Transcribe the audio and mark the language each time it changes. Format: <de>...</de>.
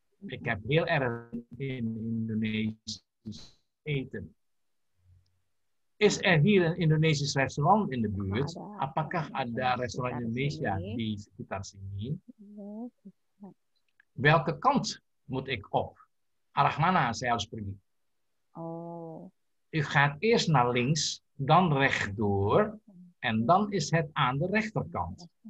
<nl>Ik heb heel erg zin in Indonesisch eten. Is er hier een Indonesisch restaurant in the buurt?</nl> <id>Apakah ada restoran Indonesia di sekitar sini?</id> <nl>Welke kant moet ik op?</nl> <id>Arah mana saya harus pergi? Oh.</id> <nl>U gaat eerst naar links, dan rechtdoor, en dan is het aan de rechterkant.</nl>